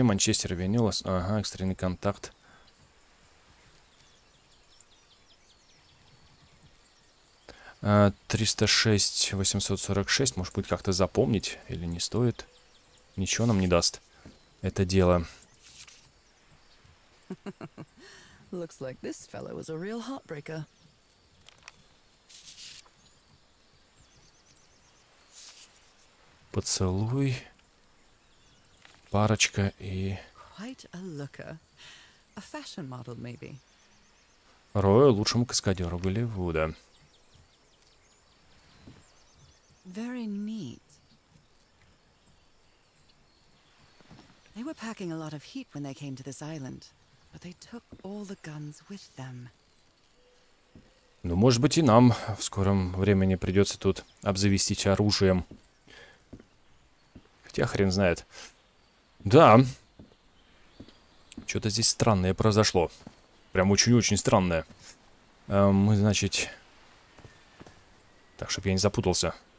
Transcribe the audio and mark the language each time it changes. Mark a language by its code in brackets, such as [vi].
[ru] Манчестер Венюлас. Ага, экстренный контакт. А, 306-846. Может быть, как-то запомнить или не стоит. Ничего нам не даст это дело. [en] Looks like this fellow was a real heartbreaker. [ru] Поцелуй, парочка и... [en] Quite a looker. A fashion model, maybe. [ru] Роя лучшему каскадеру Голливуда. [en] Very neat. They were packing a lot of heat when they came to this island, but they took all the guns with them. [ru] Ну, может быть, и нам в скором времени придется тут обзавестись оружием. Хотя хрен знает. Да. Что-то здесь странное произошло. Прям очень-очень странное. Мы, значит... Так, чтобы я не запутался.